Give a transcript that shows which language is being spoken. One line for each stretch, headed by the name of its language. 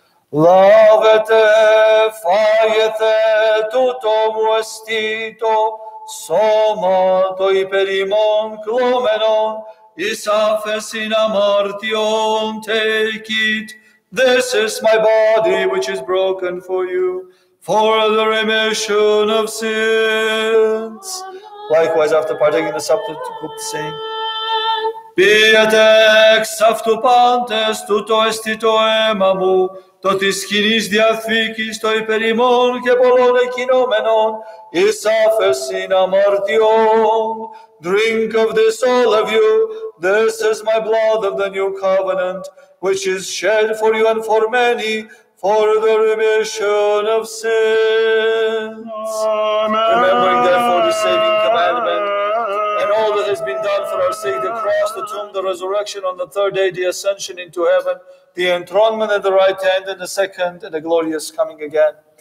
Greek: Λάβετε, φάγετε, τούτο μου εστί το σώμα το υπέρ ημών κλωμένον εις άφεσιν αμαρτιών.
English: Take it, this is my body which is broken for you, for the remission of sins. Likewise, after partaking the supper, he took the same.
Greek: Πίετε εξ αυτού πάντες, τούτο εστί το αίμα μου, το της κοινής διαθήκης, το υπέρ ημών και πολλών εκκοινωμένων, εις άφεσιν αμαρτιών.
English: Drink of this, all of you. This is my blood of the new covenant, which is shed for you and for many for the remission of sins. Amen. Remembering therefore the saving commandment and all that has been done for our sake, the cross, the tomb, the resurrection, on the third day, the ascension into heaven, the enthronement at the right hand, and the second, and the glorious coming again.